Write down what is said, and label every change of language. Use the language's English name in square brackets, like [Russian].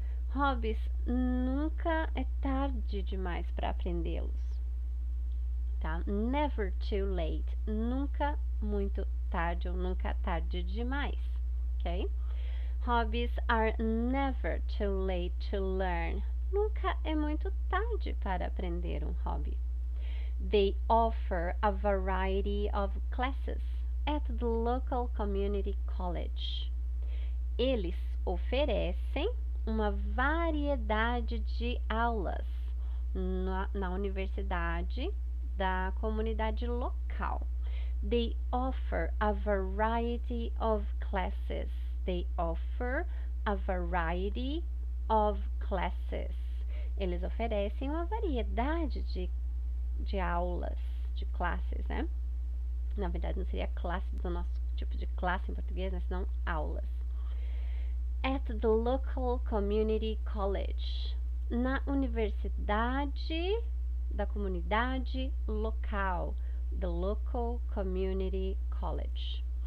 [Portuguese] Hobbies nunca é tarde demais para aprendê-los. Tá? [English] Never too late. [Portuguese] Nunca muito tarde ou nunca tarde demais. Ok? [English] Hobbies are never too late to learn. [Portuguese] Nunca é muito tarde para aprender um hobby. [English] They offer a variety of classes at the local community college. [Portuguese] Eles oferecem uma variedade de aulas na universidade da comunidade local. [English] They offer a variety of classes. They offer a variety of classes. [Portuguese] Eles oferecem uma variedade de aulas, de classes, né? Na verdade, não seria classe do nosso tipo de classe em português, mas não aulas. [English] At the local community college. [Portuguese] Na universidade da comunidade local. [English] The local community college.